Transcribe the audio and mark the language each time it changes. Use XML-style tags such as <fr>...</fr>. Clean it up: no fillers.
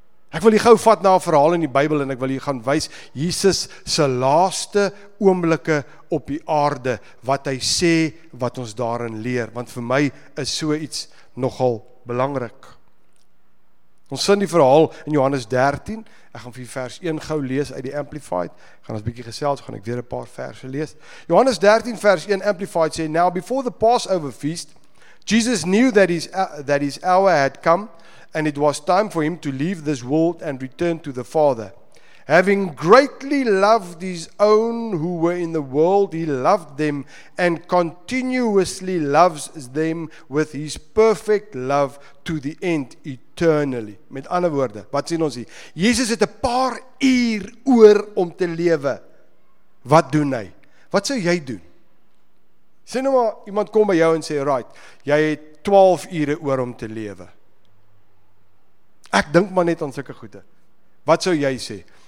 <af>Ek wil jy gauw vat na 'n verhaal in die Bybel en ek wil jy gaan wys Jesus se laaste oomblikke op die aarde, wat hy sê, wat ons daarin leer, want vir my is so iets nogal belangrik. Ons sien die verhaal in Johannes 13, ek gaan vir vers 1 gauw lees uit die Amplified, gaan ons bykie gesels, gaan ek weer 'n paar verse lees. Johannes 13 vers 1 Amplified sê,</af> <en>Now before the Passover feast, Jesus knew that his hour had come, and it was time for him to leave this world and return to the Father. Having greatly loved his own who were in the world, he loved them and continuously loves them with his perfect love to the end, eternally.</en> <af>Met ander woorde, wat sien ons hier? Jesus het 'n paar uur oor om te lewe. Wat doen hy? Wat sou jy doen? Sê nou maar, iemand kom by jou en sê, right, jy het 12 ure oor om te lewe. Ek dink maar net aan sulke goede. Wat sou jy sê?</af>